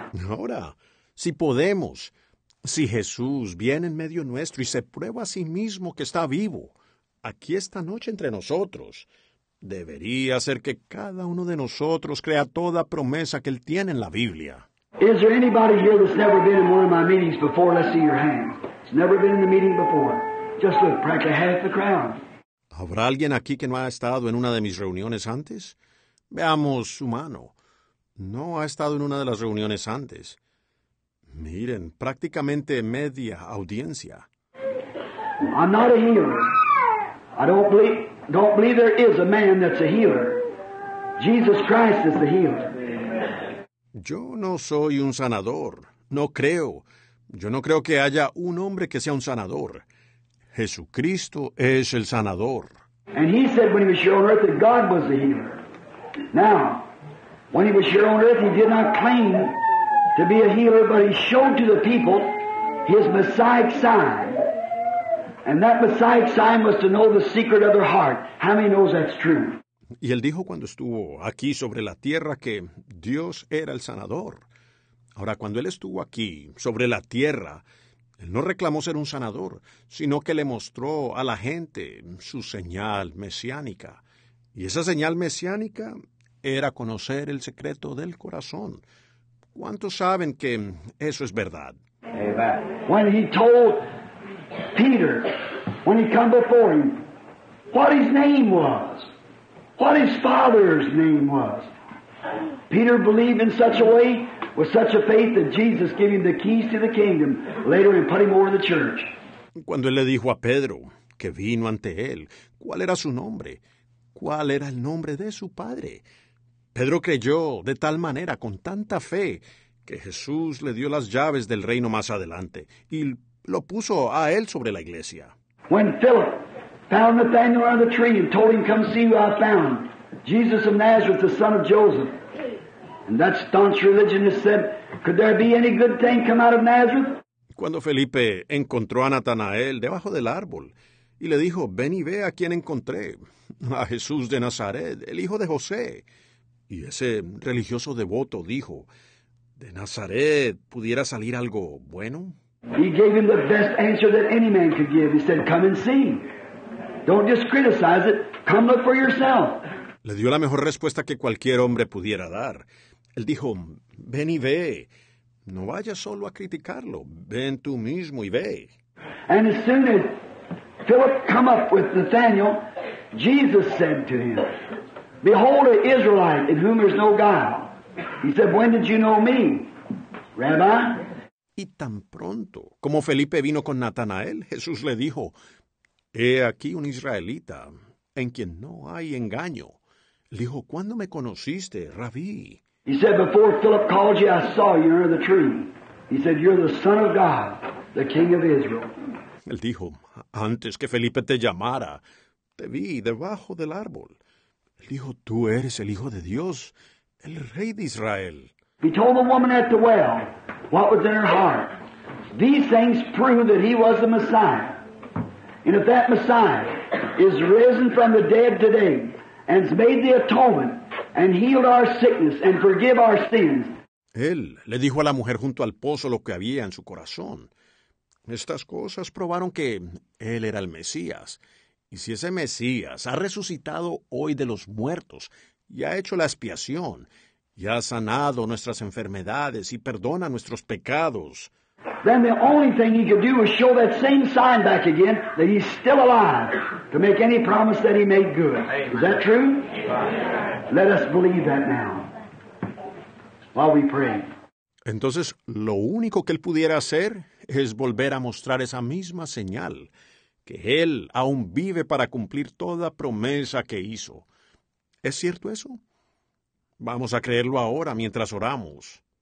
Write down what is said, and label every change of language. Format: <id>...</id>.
<es>Ahora, si podemos, si Jesús viene en medio nuestro y se prueba a sí mismo que está vivo, aquí esta noche entre nosotros, debería hacer que cada uno de nosotros crea toda promesa que él tiene en la Biblia.</es> <en>Is there anybody here that's never been in one of my meetings before? Let's see your hand. It's never been in the meeting before. Just look, practically half the crowd.</en> <es>¿Habrá alguien aquí que no ha estado en una de mis reuniones antes? Veamos su mano. No ha estado en una de las reuniones antes. Miren, prácticamente media audiencia.</es> <en>I'm not a healer. I don't believe there is a man that's a healer. Jesus Christ is the healer.</en> <es>Yo no soy un sanador. No creo. Yo no creo que haya un hombre que sea un sanador. Jesucristo es el sanador.</es> <en>And he said when he was here on earth that God was the healer. Now, when he was here on earth, he did not claim to be a healer, but he showed to the people his Messiah sign. And that Messiah sign was to know the secret of their heart. How many knows that's true?</en> <es>Y él dijo cuando estuvo aquí sobre la tierra que Dios era el sanador. Ahora, cuando él estuvo aquí sobre la tierra, él no reclamó ser un sanador, sino que le mostró a la gente su señal mesiánica. Y esa señal mesiánica era conocer el secreto del corazón. ¿Cuántos saben que eso es verdad?</es> <en>When he told Peter, when he came before him, what his name was, what his father's name was. Peter believed in such a way, with such a faith, that Jesus gave him the keys to the kingdom later and put him over the church.</en> <es>Cuando él le dijo a Pedro que vino ante él, ¿cuál era su nombre? ¿Cuál era el nombre de su padre? Pedro creyó de tal manera, con tanta fe, que Jesús le dio las llaves del reino más adelante y lo puso a él sobre la iglesia.</es> <en>When Philip found Nathanael under the tree and told him, come see who I found, Jesus of Nazareth, the son of Joseph. And that staunch religionist said, could there be any good thing come out of Nazareth?</en> <es>Cuando Felipe encontró a Natanael debajo del árbol y le dijo, ven y ve a quien encontré, a Jesús de Nazaret, el hijo de José. Y ese religioso devoto dijo, ¿de Nazaret pudiera salir algo bueno?</es> <en>He gave him the best answer that any man could give. He said, come and see. Don't just criticize it. Come look for yourself.</en> <es>Le dio la mejor respuesta que cualquier hombre pudiera dar. Él dijo, ven y ve. No vayas solo a criticarlo. Ven tú mismo y ve.</es> <en>And as soon as Philip came up with Nathanael, Jesus said to him, behold, an Israelite in whom there's no guile. He said, when did you know me, Rabbi?</en> <es>Y tan pronto como Felipe vino con Natanael, Jesús le dijo, he aquí un israelita en quien no hay engaño. Le dijo, ¿cuándo me conociste, Rabí?</es> <en>He said, before Philip called you, I saw you under the tree. He said, you're the son of God, the king of Israel.</en> <es>Él dijo, antes que Felipe te llamara, te vi debajo del árbol. Él dijo, tú eres el hijo de Dios, el rey de Israel.</es> <en>He told the woman at the well what was in her heart. These things prove that he was the Messiah. And if that Messiah is risen from the dead today and has made the atonement and healed our sickness and forgive our sins.</en> <es>Él le dijo a la mujer junto al pozo lo que había en su corazón. Estas cosas probaron que él era el Mesías. Y si ese Mesías ha resucitado hoy de los muertos y ha hecho la expiación y ha sanado nuestras enfermedades y perdona nuestros pecados,</es> <en>then the only thing he could do was show that same sign back again that he's still alive to make any promise that he made good. Is that true? Let us believe that now while we pray.</en> <es>Entonces, lo único que él pudiera hacer es volver a mostrar esa misma señal, que él aún vive para cumplir toda promesa que hizo. ¿Es cierto eso? Vamos a creerlo ahora mientras oramos.</es>